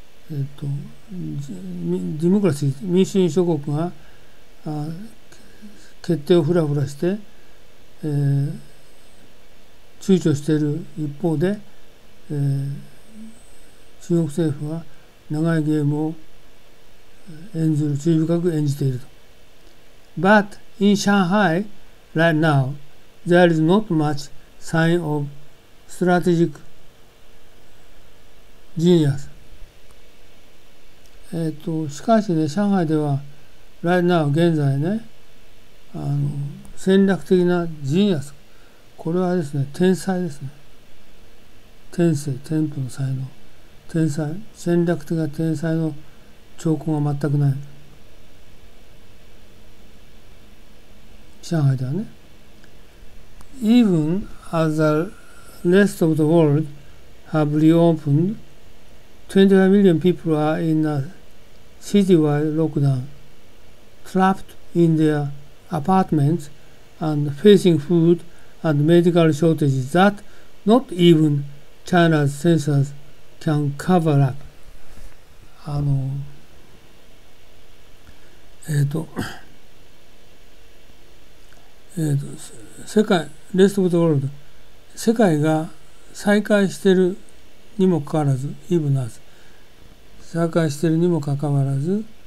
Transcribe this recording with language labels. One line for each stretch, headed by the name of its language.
Japanese: ディモクラシー、民主主義諸国が決定をフラフラして、躊躇している一方で、中国政府は長いゲームを演じる、注意深く演じていると。
English: But in Shanghai right now, there is not much sign of strategic genius.
Japanese: しかしね、上海では
English: right now
Japanese: 現在ね、あの戦略的なジーニアス、これはですね、天才ですね。天性、天賦の才能。天才、戦略的な天才の兆候が全くない。上海ではね。
English: Even as the rest of the world have reopened, 25 million people are in a citywide lockdown, trapped in their apartments and facing food and medical shortages that not even China's censorscan cover up。
Japanese: あの、世界、レストオブザワールド、世界が再開してるにもかかわらず、イブナーズ再開してるにもかかわらず、